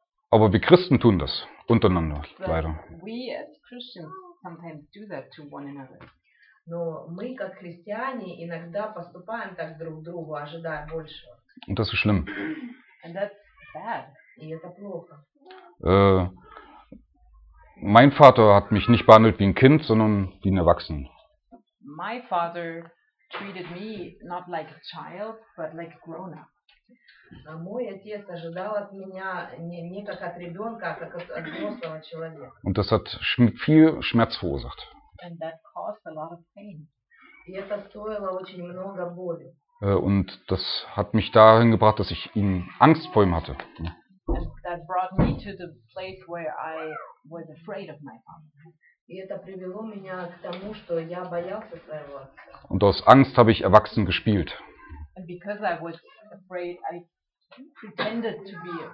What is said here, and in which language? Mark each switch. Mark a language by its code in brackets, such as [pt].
[de] Aber wir Christen tun das untereinander, leider. [en] We as Christians sometimes do that to one another. [ru] Но мы как христиане иногда поступаем так друг другу, ожидая большего. [de] Und das ist schlimm. [en] And that's bad. [ru] И это плохо. [de] Mein Vater hat mich nicht behandelt wie ein Kind, sondern wie ein Erwachsener. [en] My father treated me not like a child, but like a grown up. [ru] Мой отец ожидал от меня не как от ребенка, а как от взрослого человека. [de] Und das hat viel Schmerz verursacht. [en] And that caused a lot of pain. [ru] И это стоило очень много боли. [de] Und das hat mich dahin gebracht, dass ich ihn Angst vor ihm hatte. [en] And that brought me to the place where I was afraid of my father. [ru] И это привело меня к тому, что я боялся своего отца. [de] Und aus Angst habe ich erwachsen gespielt. [en] And because I was afraid, I pretended to be a